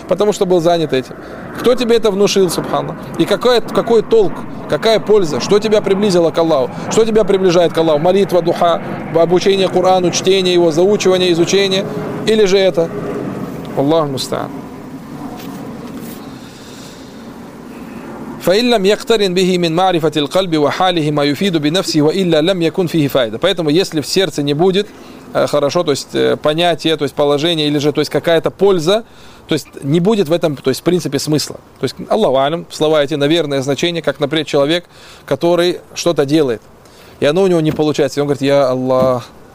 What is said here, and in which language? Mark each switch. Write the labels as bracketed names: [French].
[Russian] Потому что был занят этим. Кто тебе это внушил, Субхану? И какой толк, какая польза, что тебя приблизило к Аллаху, что тебя приближает к Аллаху, молитва, духа, обучение Корану, чтение его, заучивание, изучение, или же это Аллах мустаан. [Arabic] فإن لم يقترن به من معرفة القلب وحاله ما يفيد بنفسه وإلا لم يكن فيه فائدة. [Russian] Поэтому если в сердце не будет хорошо, то есть понятие, то есть положение, или же то есть какая-то польза, то есть не будет в этом, то есть в принципе смысла. То есть Аллаху алям, слова эти, наверное, значение, как, например, человек, который что-то делает, и оно у него не получается. И он говорит, я Аллах.